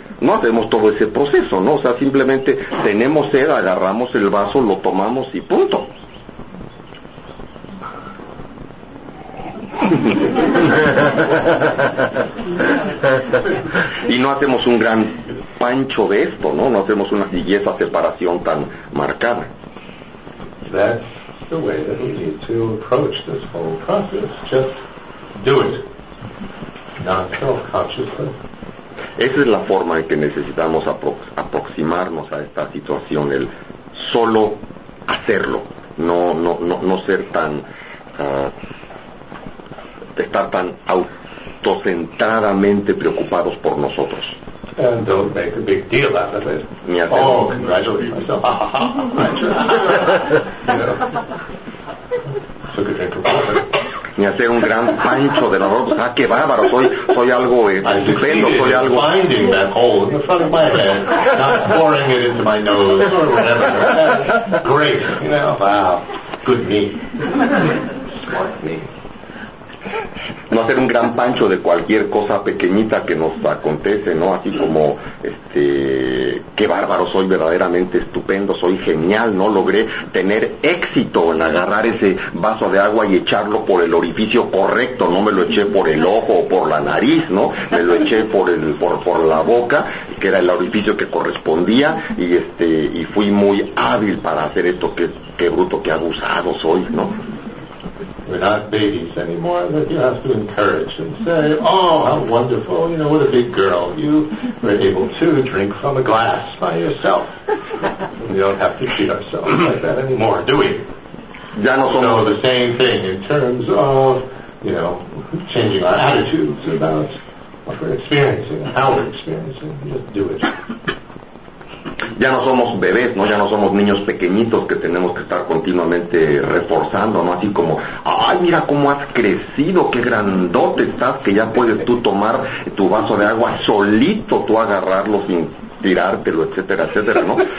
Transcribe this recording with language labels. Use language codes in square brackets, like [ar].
[es] No hacemos todo ese proceso, ¿no? O sea, simplemente tenemos sed, agarramos el vaso, lo tomamos y punto. Y no hacemos un gran pancho de esto, ¿no? No hacemos una belleza separación tan marcada. [en] That's the way that we need to approach this whole process. Just do it. non-self-consciously. [es] Esa es la forma en que necesitamos aproximarnos a esta situación, el solo hacerlo, no ser tan estar tan autocentradamente preocupados por nosotros. [en] And don't make a big deal out of it. [es] Ni hacer [en] oh, congratulate yourself. You know. So [es] ni hacer un gran pancho de la ropa. Ah, qué bárbaro, soy algo estupendo, soy algo. [en] Finding that hole in the front of my head, not boring it into my nose or whatever. Great, you know, wow, good me. Smart me. [es] No hacer un gran pancho de cualquier cosa pequeñita que nos acontece, ¿no? Así como, qué bárbaro, soy verdaderamente estupendo, soy genial, ¿no? Logré tener éxito en agarrar ese vaso de agua y echarlo por el orificio correcto, no me lo eché por el ojo o por la nariz, ¿no? Me lo eché por la boca, que era el orificio que correspondía, y fui muy hábil para hacer esto, qué bruto, qué abusado soy, ¿no? [en] We're not babies anymore, but you have to encourage and say, oh, how wonderful, you know, what a big girl. You were able to drink from a glass by yourself. We don't have to treat ourselves like that anymore, do we? [es] Ya no somos. [en] So the same thing in terms of, you know, changing our attitudes about what we're experiencing and how we're experiencing. Just do it. [es] Ya no somos bebés, ¿no? Ya no somos niños pequeñitos que tenemos que estar continuamente reforzando, ¿no? Así como, ¡ay, mira cómo has crecido! ¡Qué grandote estás! Que ya puedes tú tomar tu vaso de agua solito, tú agarrarlo sin tirártelo, etcétera, etcétera, ¿no?